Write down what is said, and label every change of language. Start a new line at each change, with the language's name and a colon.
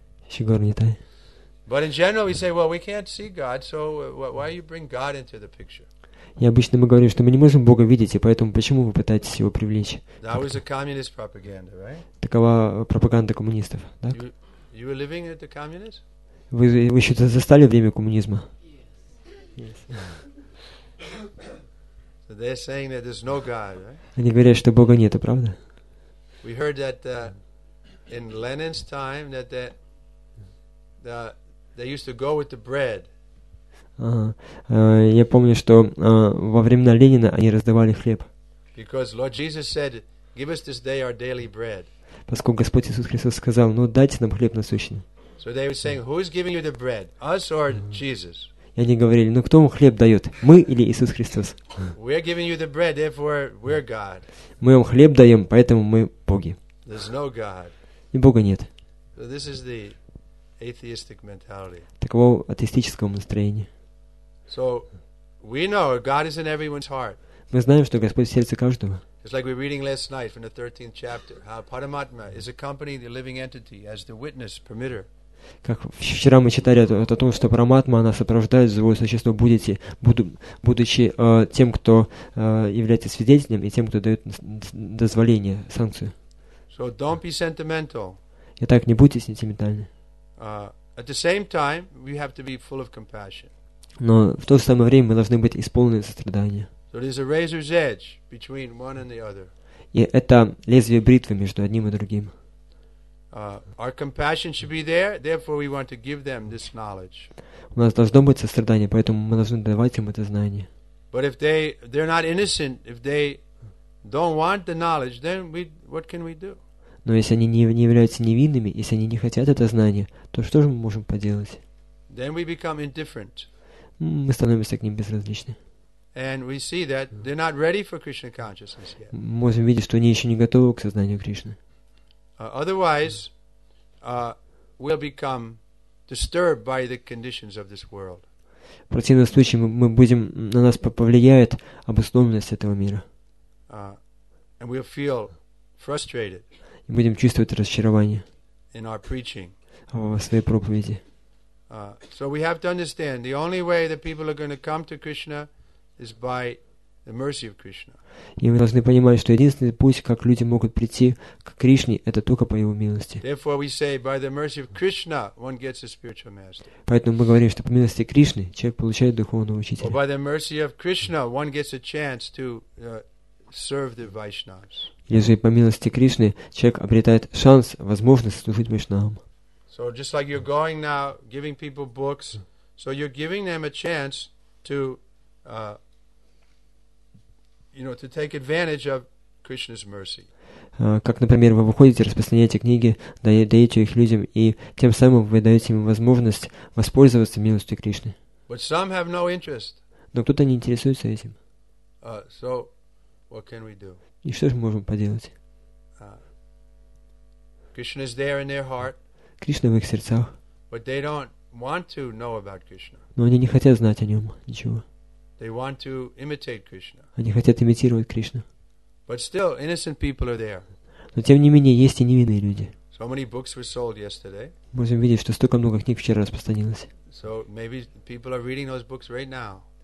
English: Еще гор не тай. But in general we say, well, we can't see God, so why you bring God into the picture?
Russian: И обычно мы говорим, что мы не можем Бога видеть, и поэтому почему вы пытаетесь его привлечь?
English: That was a communist propaganda, right?
Russian: Такова пропаганда коммунистов, да?
English: You were living at the communist?
Russian: Вы еще застали время коммунизма?
English: Yes. They're saying that there's no God, right?
Russian: Они говорят, что Бога нет, правда?
English: We heard that in Lenin's time that they used to go with the bread.
Russian: Я помню, что во времена Ленина они раздавали хлеб.
English: Because Lord Jesus said, "Give us this day our daily bread."
Russian: Поскольку Господь Иисус Христос сказал, ну дайте нам хлеб насущный.
English: So they were saying, "Who is giving you the bread? Us or Jesus?"
Russian: И они говорили, ну кто вам хлеb дает, мы или Иисус Христос?
English: We're giving you the bread, therefore we're God.
Russian: Мы вам хлeb даем, поэтому мы Боги.
English: There's no God.
Russian: И Бога нет.
English: So this is the atheistic mentality.
Russian: Таково атеистическое настроение.
English: So we know God is in everyone's heart.
Russian: Мы знаем, что Господь в сердце каждого.
English: It's like we're reading last night from the 13th chapter, how Paramatma is accompanying the living entity as the witness permitter.
Russian: Как вчера мы читали о том, что Параматма, она сопровождает живое существо, будучи тем, кто является свидетелем, и тем, кто дает дозволение, санкцию.
English: So don't be sentimental.
Russian: Итак, не будьте сентиментальны.
English: At the same time, we have to be full of compassion.
Russian: Но в то же самое время мы должны быть исполнены сострадания.
English: So there's a razor's edge between one and the other.
Russian: И это лезвие бритвы между одним и другим.
English: Our compassion should be there, therefore we want to give them this knowledge.
Russian: У нас должно быть сострадание, поэтому мы должны давать им это знание.
English: But if they're not innocent, if they don't want the knowledge, then what can we do?
Russian: Но если они не являются невинными, если они не хотят это знание, то что же мы можем поделать?
English: Then we become indifferent.
Russian: Мы становимся к ним безразличны.
English: And we see that they're not ready for Krishna consciousness yet.
Russian: Мы можем видеть, что они еще не готовы к сознанию Кришны.
English: Otherwise, we'll become disturbed by the conditions of this world.
Russian: В противном случае мы будем на нас повлияет обусловленность этого мира.
English: And we'll feel frustrated.
Russian: И будем чувствовать разочарование.
English: In our preaching.
Russian: В своей проповеди.
English: So we have to understand the only way that people are going to come to Krishna is by the mercy of Krishna.
Russian: И мы должны понимать, что единственный путь, как люди могут прийти к Кришне, это только по Его милости.
English: Therefore, we say, by the mercy of Krishna, one gets a spiritual master.
Russian: Поэтому мы говорим, что по милости Кришны человек получает духовного учителя.
English: Or by the mercy of Krishna, one gets a chance to serve the Vaishnavas.
Russian: Или же по милости Кришны человек обретает шанс, возможность служить Вайшнавам.
English: So just like you're going now, giving people books, so you're giving them a chance to to take advantage of Krishna's mercy.
Russian: Как, например, вы выходите, распространяете книги, даете их людям, и тем самым вы даете им возможность воспользоваться милостью Кришны.
English: But some have no interest.
Russian: Но кто-то не интересуется этим.
English: So what can we do?
Russian: И что же мы можем поделать?
English: Krishna is there in their heart.
Russian: Кришна в их сердцах.
English: But they don't want to know about Krishna.
Russian: Но они не хотят знать о нем ничего.
English: They want to imitate Krishna.
Russian: Они хотят имитировать Кришну.
English: But still, innocent people are there.
Russian: Но тем не менее есть и невинные люди.
English: So many books were sold yesterday.
Russian: Можем видеть, что столько много книг вчера распространилось.
English: So maybe people are reading those books right now.